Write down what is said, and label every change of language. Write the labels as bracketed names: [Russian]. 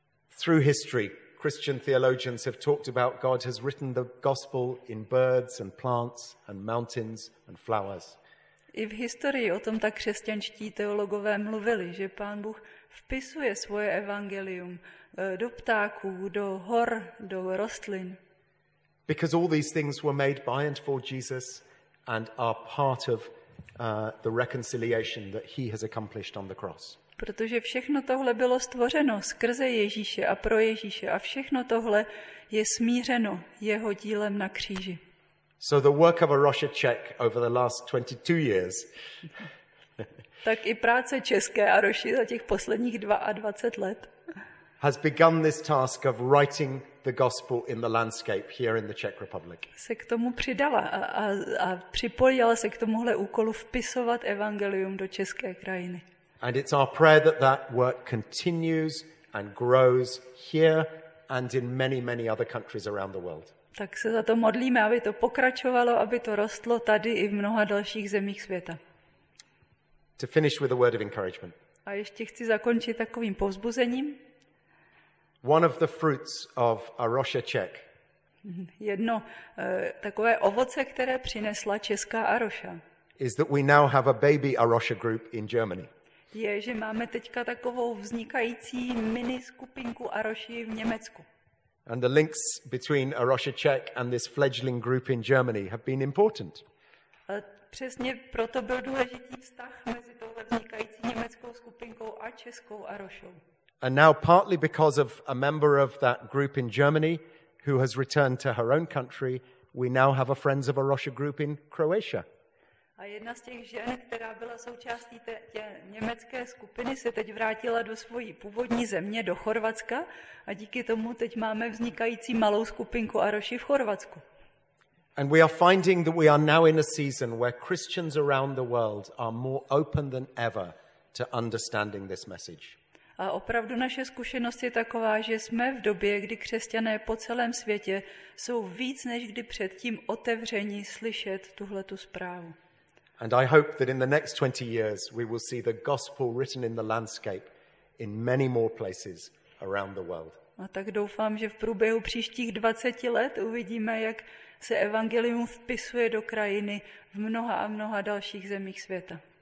[English] Through history, Christian theologians have talked about God has written the gospel in birds and plants and mountains and flowers. [Czech] I v historii o tom tak křesťanští teologové mluvili, že Pán Bůh vpisuje svoje evangelium do ptáků, do hor, do rostlin. [English] Because all these things were made by and for Jesus and are part of the reconciliation that he has accomplished on the cross. [Czech] Protože všechno tohle bylo stvořeno skrze Ježíše a pro Ježíše a všechno tohle je smířeno jeho dílem na kříži. [English] So the work of Arosha Czech over the last 22 years. [Czech] Tak i práce české Aroši za těch posledních 22 let. [English] Has begun this task of writing the gospel in the landscape here in the Czech Republic. [Czech] Se k tomu přidala a připojila se k tomuhle úkolu vpisovat evangelium do české krajiny. [English] And it's our prayer that that work continues and grows here and in many, many other countries around the world. [Czech] Tak se za to modlíme, aby to pokračovalo, aby to rostlo tady i v mnoha dalších zemích světa. [English] To finish with a word of encouragement. [Czech] A ještě chci zakončit takovým povzbuzením. [English] One of the fruits of Arosha Czech. [Czech] Jedno takové ovoce, které přinesla česká Arosha. [English] Is that we now have a baby Arosha group in Germany. [Czech] Je, že máme teďka takovou vznikající mini skupinku Aroši v Německu. [English] And the links between Arosha Czech and this fledgling group in Germany have been important. [Czech] A přesně proto byl důležitý vztah mezi touhle vznikající německou skupinkou a českou Arošou. [English] And now partly because of a member of that group in Germany who has returned to her own country, we now have a Friends of Arosha group in Croatia. [Czech] A jedna z těch žen, která byla součástí té německé skupiny, se teď vrátila do svojí původní země, do Chorvatska, a díky tomu teď máme vznikající malou skupinku Aroši v Chorvatsku. [English] And we are finding that we are now in a season where Christians around the world are more open than ever to understanding this message. [Czech] A opravdu naše zkušenost je taková, že jsme v době, kdy křesťané po celém světě jsou víc než kdy předtím otevřeni slyšet tuhletu zprávu. [English] And I hope that in the next 20 years we will see the gospel written in the landscape in many more places around the world. [Czech] A tak doufám, že v průběhu příštích 20 let uvidíme, jak se evangelium vpisuje do krajiny v mnoha a mnoha dalších zemích světa.